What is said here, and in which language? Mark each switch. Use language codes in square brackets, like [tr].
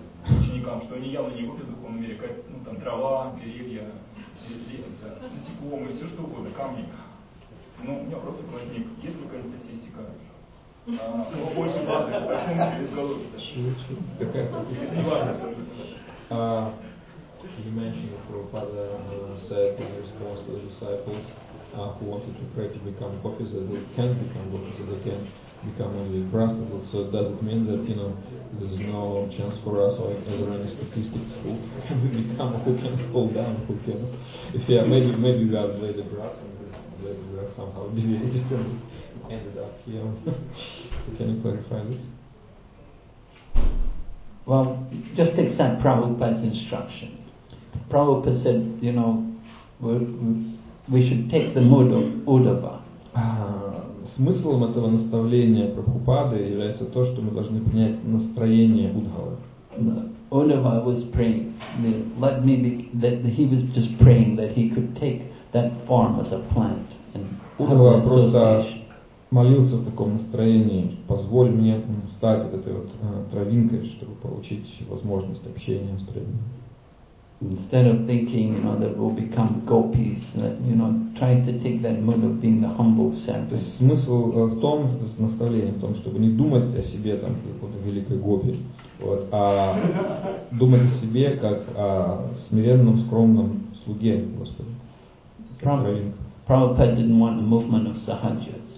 [ru] Ученикам, что они явно не купят в духовном мире, как, ну, там, трава, деревья, насекомые, все что угодно, камни. Ну, у меня просто возник, есть какая-то статистика? Кого больше падает, как он через голову? Какая статистика? Не важно. [en] You mentioned that Prabhupada said in response to the disciples who wanted to pray to become gopis that they can't become gopis, that they can become only brahmanas. So does it mean that, you know, there's no chance for us, or is there any statistics who can we become, who can fall down, who can? If yeah, maybe we are Vedic brahmanas, maybe we are somehow deviated and ended up here. So can you clarify this? Well, just accept Prabhupada's instruction. Prabhupada said, you know, we should take the mood of Uddhava. [ru] Смыслом этого наставления Прабхупады является то, что мы должны принять настроение Удхавы. [en] Uddhava was praying, let me be, that he was just praying that he could take that form as a plant. [ru] Удхава просто молился в таком настроении, позволь мне стать вот этой вот травинкой, чтобы получить возможность общения с преданными. [en] Instead of thinking, you know, that we'll become gopis, you know, trying to take that mood of being the humble servant. [ru] То есть смысл в том, наставление в том, чтобы не думать о себе там какой-то великой гопи, вот, а думать о себе как о смиренном, скромном слуге Господа. [en] Prabhupada didn't want a movement of sahajas.